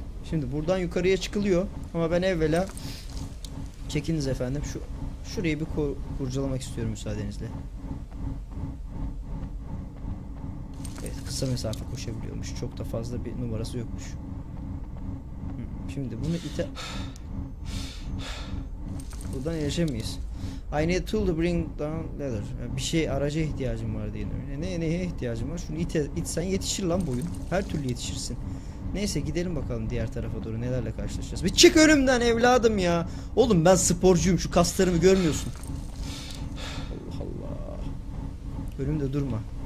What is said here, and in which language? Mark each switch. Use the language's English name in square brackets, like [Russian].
[Turkish] Şimdi buradan yukarıya çıkılıyor ama ben evvela çekiniz efendim şurayı bir kurcalamak istiyorum müsaadenizle. Evet, kısa mesafe koşabiliyormuş. Çok da fazla bir numarası yokmuş. Şimdi bunu ite buradan erişemeyiz. [English] I need a tool to bring down leather. [Turkish] Yani bir şey araca ihtiyacım var diyelim. Neye ihtiyacım var? Şunu itsen yetişir lan boyun. Her türlü yetişirsin. Neyse gidelim bakalım diğer tarafa doğru nelerle karşılaşacağız. Bir çık önümden evladım ya. Oğlum ben sporcuyum şu kaslarımı görmüyorsun. Allah Allah. Önümde durma.